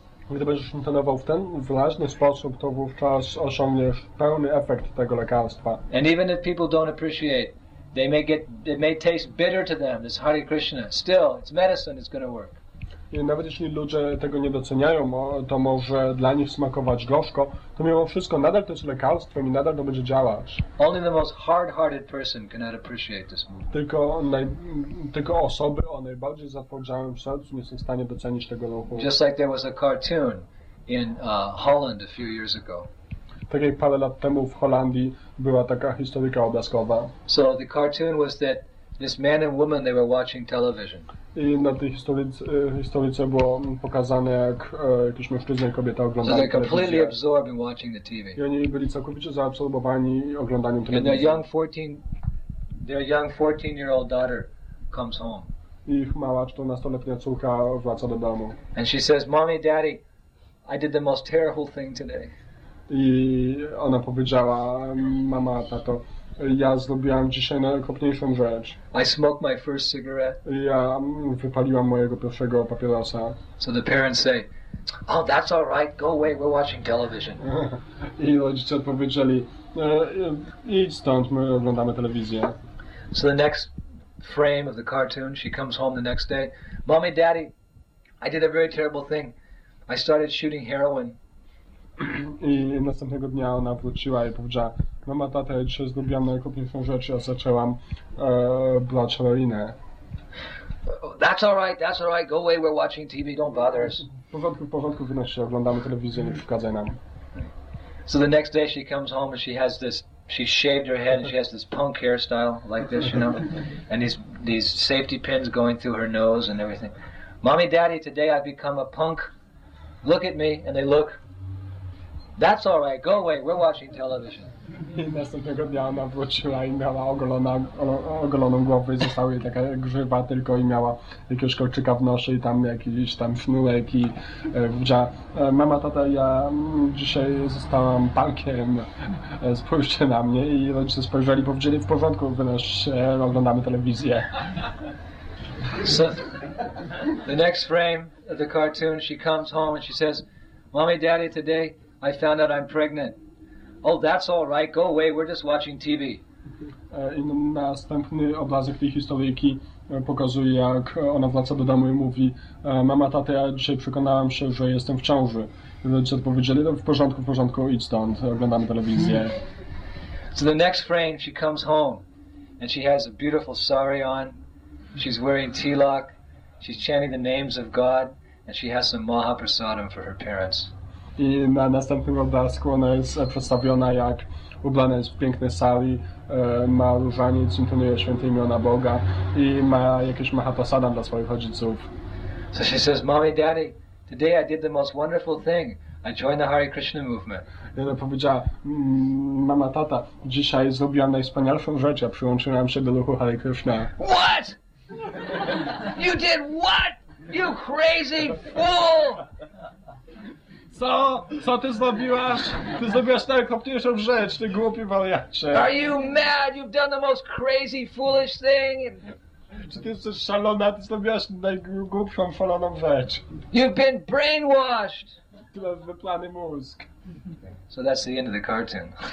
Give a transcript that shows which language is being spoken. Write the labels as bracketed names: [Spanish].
[Polish] Gdy będziesz intonował w ten wyraźny sposób, to wówczas osiągniesz pełny efekt tego lekarstwa. [English] And even if people don't appreciate, it may taste bitter to them, this Hare Krishna. Still, it's medicine, it's going to work. [Polish] nawet jeśli ludzie tego nie doceniają, to może dla nich smakować gorzko, to mimo wszystko nadal to jest lekarstwem i nadal to będzie działać. [English] Only the most hard-hearted person cannot appreciate this movement. [Polish] Tylko osoby o najbardziej zatwardziałym sercu nie są w stanie docenić tego ruchu. [English] Just like there was a cartoon in Holland a few years ago. [Polish] Tak jak parę lat temu w Holandii była taka historyka obrazkowa. [English] So the cartoon was that this man and woman, they were watching television. [Polish] I na tej historyce było pokazane, jak jakiś mężczyzna i kobieta oglądali telewizję. [English] So they're completely absorbed in watching the TV. [Polish] I oni byli całkowicie zaabsorbowani oglądaniem telewizji. [English] And their young 14-year-old daughter comes home. [Polish] Ich mała 14-letnia córka wraca do domu. [English] And she says, "Mommy, Daddy, I did the most terrible thing today." [Polish] I ona powiedziała, mama, tato, ja zrobiłam dzisiaj najokropniejszą rzecz. [English] I smoked my first cigarette. [Polish] Ja wypaliłam mojego pierwszego papierosa. [English] So the parents say, "Oh, that's all right, go away, we're watching television." [Polish] I rodzice odpowiedzieli, idź stąd, my oglądamy telewizję. [English] So the next frame of the cartoon, she comes home the next day. "Mommy, Daddy, I did a very terrible thing. I started shooting heroin." [Polish] I następnego dnia ona wróciła i powiedziała: "Mama, tata, ja dzisiaj zrobiłam najokropniejszą rzecz, ja zaczęłam brać heroinę." [English] "That's all right, that's all right, go away, we're watching TV, don't bother us." [Polish] W porządku, wynoś się, oglądamy telewizję, nie przeszkadzaj nam. [English] So the next day she comes home and she shaved her head and she has this punk hairstyle like this, you know, and these safety pins going through her nose and everything. "Mommy, Daddy, today I've become a punk, look at me," and they look. "That's all right. Go away. We're watching television." [Polish] I następnego dnia ona wróciła i miała ogoloną głowę i została jej taka grzywa tylko i miała jakiegoś kolczyka w nosie i tam jakiś tam sznurek i powiedziała: "Mama, tata, ja dzisiaj zostałam punkiem, spójrzcie na mnie." I rodzice spojrzeli, powiedzieli: "W porządku, wynoś się, oglądamy telewizję." [English] So, the next frame of the cartoon, she comes home and she says, "Mommy, Daddy, today I found out I'm pregnant." "Oh, that's all right. Go away. We're just watching TV." [Polish] I następny obrazek tej historyjki pokazuje, jak ona wraca do domu i mówi: "Mama, tata, ja dzisiaj przekonałam się, że jestem w ciąży." Rodzice odpowiedzieli: "No, w porządku, idź stąd, oglądamy telewizję." [English] So the next frame, she comes home and she has a beautiful sari on. She's wearing tilak. She's chanting the names of God and she has some mahaprasadam for her parents. [Polish] I na następnym obrazku ona jest przedstawiona, jak ubrana jest w pięknej sali, ma różaniec, intonuje święte imiona Boga i ma jakieś mahaprasadam dla swoich rodziców. [English] So she says, "Mommy, Daddy, today I did the most wonderful thing. I joined the Hare Krishna movement." [Polish] I ona powiedziała: "Mama, tata, dzisiaj zrobiłam najwspanialszą rzecz, ja przyłączyłam się do ruchu Hare Krishna." [English] "What? You did what? You crazy fool!" [Polish] Co ty zrobiłaś? Ty zrobiłaś najokropniejszą rzecz, ty głupi wariacie. [English] "Are you mad? You've done the most crazy, foolish thing." [Polish] Czy ty jesteś szalona? Ty zrobiłaś najgłupszą, szaloną rzecz. [English] "You've been brainwashed." [Polish] Ty masz wyplany mózg. [English] So that's the end of the cartoon.